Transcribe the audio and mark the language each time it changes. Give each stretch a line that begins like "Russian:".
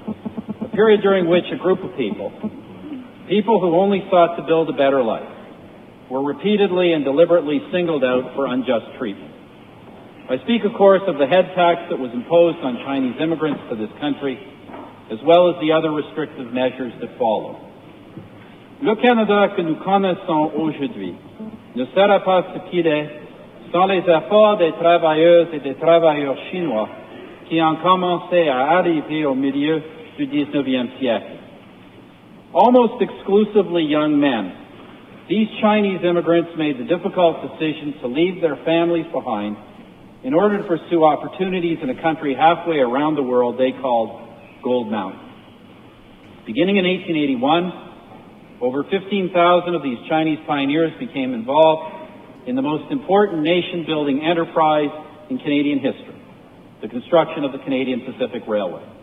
English: A period during which a group of people who only sought to build a better life, were repeatedly and deliberately singled out for unjust treatment. I speak, of course, of the head tax that was imposed on Chinese immigrants to this country, as well as the other restrictive measures that follow.
French: Le Canada que nous connaissons aujourd'hui ne sera pas ce qu'il est sans les efforts des travailleuses et des travailleurs chinois qui ont commencé à arriver au milieu du 19e siècle.
English: Almost exclusively young men, these Chinese immigrants made the difficult decision to leave their families behind in order to pursue opportunities in a country halfway around the world they called Gold Mountain. Beginning in 1881, over 15,000 of these Chinese pioneers became involved in the most important nation-building enterprise in Canadian history, the construction of the Canadian Pacific Railway.